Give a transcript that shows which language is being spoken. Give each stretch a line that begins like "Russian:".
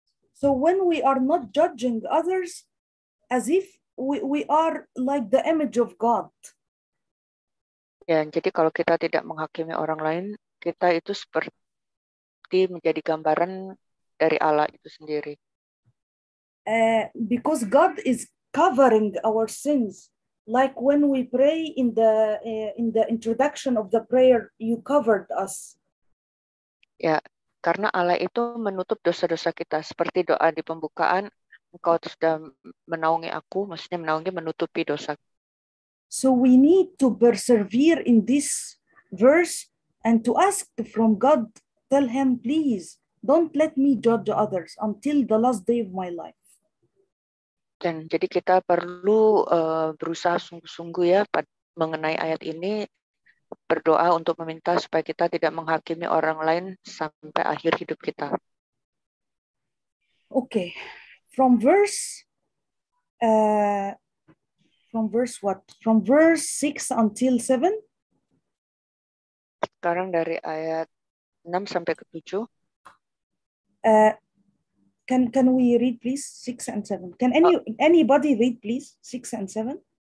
English: So when we are not judging others as if we are like the image of God.
Indonesian: Ya, jadi kalau kita tidak menghakimi orang lain, kita itu seperti menjadi gambaran dari Allah itu sendiri.
English: Because God is covering our sins, like when we pray in the introduction of the prayer, you covered us.
Indonesian: Ya, karena Allah itu menutup dosa-dosa kita, seperti doa di pembukaan, engkau sudah menaungi aku, maksudnya menaungi menutupi dosa.
English: So we need to persevere in this verse and to ask from God, tell him, please, don't let me judge others until the last day of my life.
Indonesian: Dan jadi kita perlu berusaha sungguh-sungguh ya mengenai ayat ini, berdoa untuk meminta supaya kita tidak menghakimi orang lain sampai akhir hidup kita.
English: Okay, from verse... From verse 6 until 7?
Indonesian: Sekarang dari ayat 6 sampai ke 7.
English: Can we read please 6 and 7? Can anybody read please 6 and 7?